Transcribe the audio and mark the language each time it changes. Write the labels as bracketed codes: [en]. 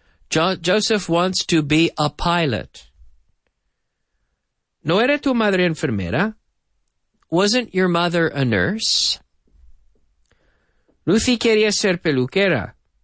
[en] Joseph wants to be a pilot. [es] ¿No era tu madre enfermera? [en] Wasn't your mother a nurse? [es] Lucy quería ser peluquera.